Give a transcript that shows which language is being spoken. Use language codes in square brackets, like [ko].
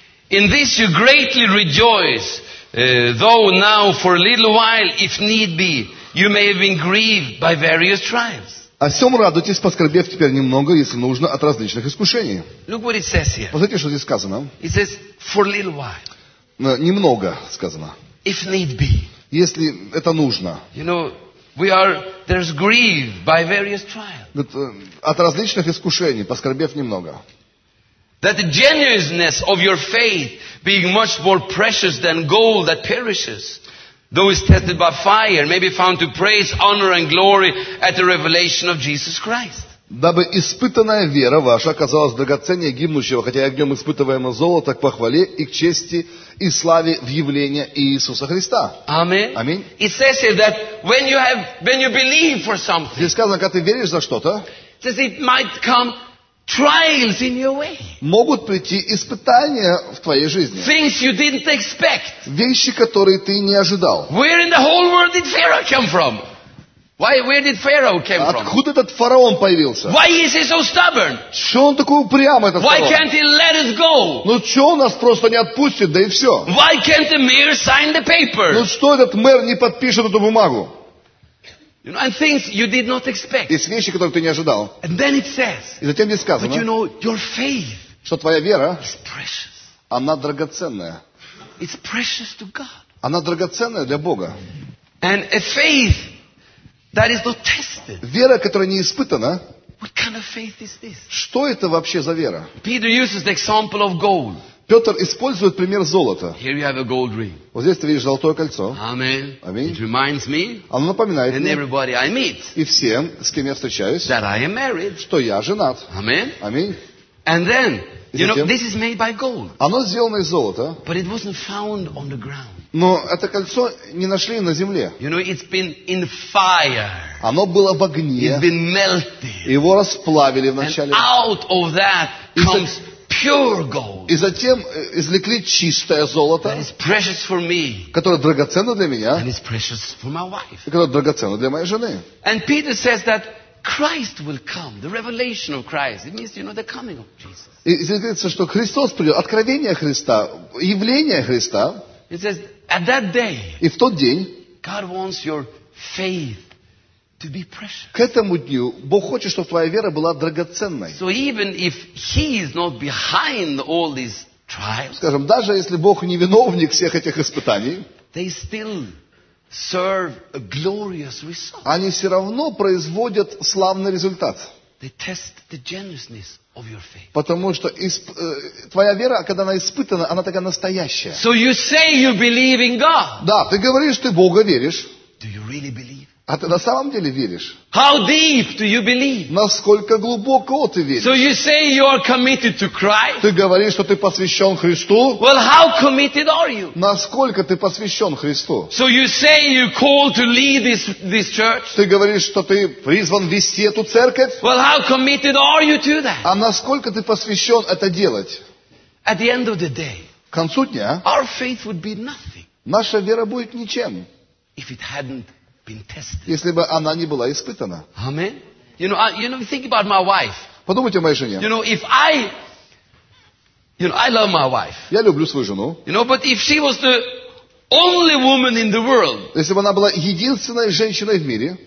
[en] In this you greatly rejoice, though now for a little while, if need be, you may have been grieved by various trials. [ru] О сём радуйтесь, поскорбев теперь немного, если нужно, от различных искушений. [en] Look what it says here. [ru] Посмотрите, что здесь сказано. [en] It says, for a little while. [ru] Немного сказано. [en] If need be. [ru] Если это нужно. [en] You know, we are, there's grief by various trials. [ru] От различных искушений, поскорбев немного. [en] That the genuineness of your faith being much more precious than gold that perishes, though it's tested by fire, may be found to praise, honor and glory at the revelation of Jesus Christ. [ru] Дабы испытанная вера ваша оказалась драгоценнее гибнущего, хотя и огнем испытываемого золота, к похвале и к чести и славе в явлении Иисуса Христа. Аминь. [en] It says here that when you believe for something, [ru] здесь сказано, когда ты веришь за что-то, [en] it might come trials in your way. [ru] Могут прийти испытания в твоей жизни. [en] Things you didn't expect. [ru] Вещи, которые ты не ожидал. [en] Where in the whole world did Pharaoh come from? Where did Pharaoh come from? [ru] Откуда этот фараон появился? [en] Why is he so stubborn? [ru] Чё он такой упрямый, этот [en] Why [ru] фараон? [en] Can't he let us go? [ru] Ну чё, он нас просто не отпустит, да и всё. [en] Why can't the mayor sign the paper? [ru] Ну что этот мэр не подпишет эту бумагу? [en] You know, and things you did not expect. [ru] Есть вещи, которых ты не ожидал. [en] And then it says. [ru] И затем здесь сказано. [en] But you know, your faith. [ru] Что твоя вера? [en] Is precious. [ru] Она драгоценная. [en] It's precious to God. [ru] Она драгоценная для Бога. [en] And a faith that is not tested. [ru] Вера, которая не испытана. [en] What kind of faith is this? [ru] Что это вообще за вера? [en] Peter uses the example of gold. [ru] Петр использует пример золота. [en] Here you have a gold ring. [ru] Вот здесь ты видишь золотое кольцо. Аминь. Аминь. [en] It reminds me, [ru] оно напоминает [en] and [ru] мне [en] everybody I meet, [ru] и всем, с кем я встречаюсь, [en] that I am married. [ru] Что я женат. Аминь. Аминь. [en] And then, you know, this is made by gold. [ru] Оно сделано из золота. [en] But it wasn't found on the ground. [ru] Но это кольцо не нашли на земле. [en] You know, it's been in fire. [ru] Оно было в огне. [en] It's been melted. [ru] Его расплавили вначале. [en] And out of that comes pure gold. [ru] И затем извлекли чистое золото, [en] that is precious for me, [ru] которое драгоценно для меня, [en] and is precious for my wife. [ru] И которое драгоценно для моей жены. [en] And Peter says that Christ will come, the revelation of Christ. It means, you know, the coming of Jesus. [ru] И здесь говорится, что Христос придет, откровение Христа, явление Христа. [en] It says, at that day, [ru] и в тот день, [en] God wants your faith to be precious. [ru] К этому дню Бог хочет, чтобы твоя вера была драгоценной. [en] So even if he is not behind all these trials, [ru] скажем, даже если Бог не виновник всех этих испытаний, [en] they still serve a glorious result. [ru] Они все равно производят славный результат. [en] They test the genuineness of your faith. [ru] Потому что твоя вера, когда она испытана, она такая настоящая. [en] So you say you believe in God. [ru] Да, ты говоришь, ты Бога веришь. [en] Do you really believe? [ru] А ты на самом деле веришь? [en] How deep do you believe? [ru] Насколько глубоко ты веришь? [en] So you say you are committed to Christ? [ru] Ты говоришь, что ты посвящен Христу? [en] Well, how committed are you? [ru] Насколько ты посвящен Христу? [en] So you say you called to lead this church? [ru] Ты говоришь, что ты призван вести эту церковь? [en] Well, how committed are you to that? [ru] А насколько ты посвящен это делать? [en] At the end of the day, [ru] к концу дня, [en] our faith would be nothing. [ru] Наша вера будет ничем. [en] If it hadn't been tested. [ru] Если бы она не была испытана. [en] Amen. You know, think about my wife. [ru] Подумайте о моей жене. [en] You know, if I, you know, I love my wife. [ru] Я люблю свою жену. [en] You know, but if she was the only woman in the world. [ru] Если бы она была единственной женщиной в мире.